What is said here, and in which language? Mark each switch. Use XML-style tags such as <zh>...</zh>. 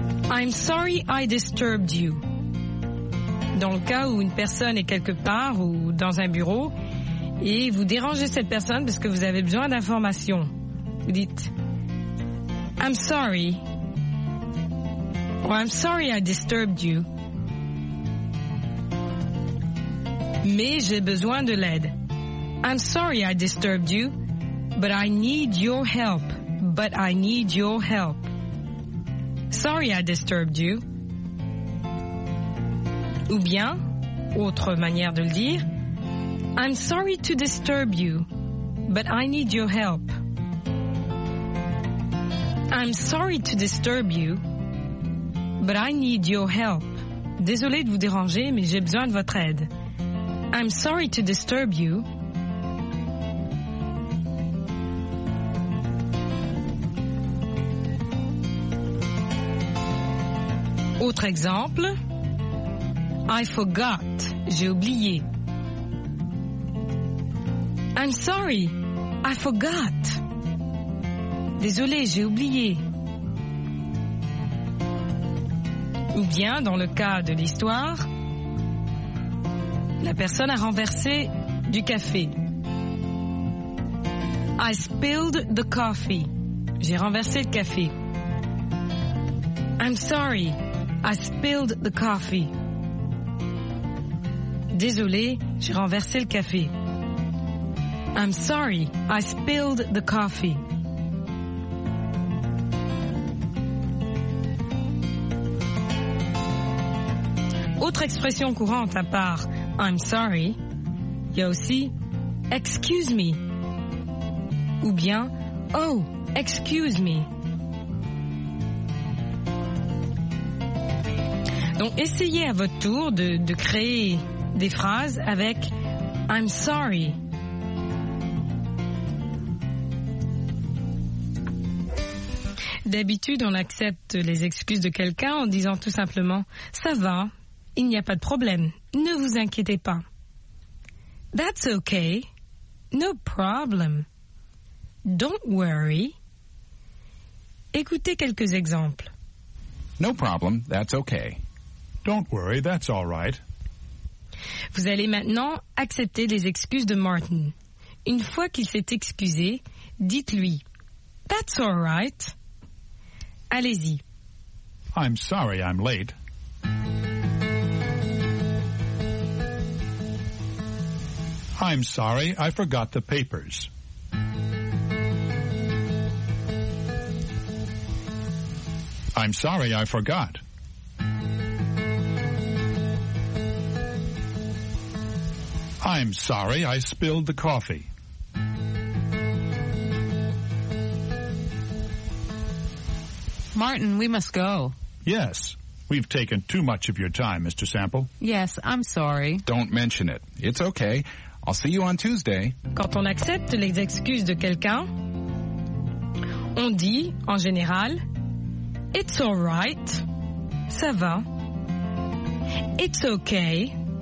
<en>I'm sorry I disturbed you.</en> <fr>Dans le cas où une personne est quelque part ou dans un bureau et vous dérangez cette personne parce que vous avez besoin d'informations, vous dites</fr> <en>I'm sorry. Well, I'm sorry I disturbed you.</en> <fr>Mais j'ai besoin de l'aide.</fr> <en>I'm sorry I disturbed you, but I need your help. But I need your help. Sorry I disturbed you.</en> <fr>Ou bien, autre manière de le dire,</fr> <en>I'm sorry to disturb you. but I need your help. I'm sorry to disturb you, but I need your help.</en> <fr>Désolé de vous déranger, mais j'ai besoin de votre aide.</fr> <en>I'm sorry to disturb you.</en> <fr>Autre exemple.</fr> <en>I forgot.</en> <fr>J'ai oublié.</fr> <en>I'm sorry. I forgot.</en> <fr>Désolé, j'ai oublié. Ou bien, dans le cas de l'histoire, la personne a renversé du café.</fr> <en>I spilled the coffee.</en> <fr>J'ai renversé le café.</fr> <en>I'm sorry. I spilled the coffee.</en> <fr>Désolé, j'ai renversé le café.</fr> <en>I'm sorry, I spilled the coffee.</en> <fr>Autre expression courante à part</fr> <en>I'm sorry,</en> <fr>il y a aussi</fr> <en>excuse me.</en> <fr>Ou bien oh,</fr> <en>excuse me.</en> <fr>Donc essayez à votre tour de créer des phrases avec</fr> <en>I'm sorry.</en> <fr>D'habitude, on accepte les excuses de quelqu'un en disant tout simplement « Ça va, il n'y a pas de problème, ne vous inquiétez pas. » «</fr> <en>That's okay, no problem.</en> <fr>Don't worry. » Écoutez quelques exemples.</fr> <en>« No problem, that's okay. Don't worry, that's all right. »</en> <fr>Vous allez maintenant accepter les excuses de Martin. Une fois qu'il s'est excusé, dites-lui «</fr> <en>That's all right.</en> <fr>» Allez-y.</fr> <en>I'm sorry I'm late. I'm sorry I forgot the papers. I'm sorry I forgot. I'm sorry I spilled the coffee. Martin, we must go. Yes. We've taken too much of your time, Mr. Sample. Yes, I'm sorry. Don't mention it. It's okay. I'll see you on Tuesday.</en> <fr>Quand on accepte les excuses de quelqu'un, on dit, en général,</fr> <en>It's all right.</en> <fr>Ça va.</fr> <en>It's okay.</en>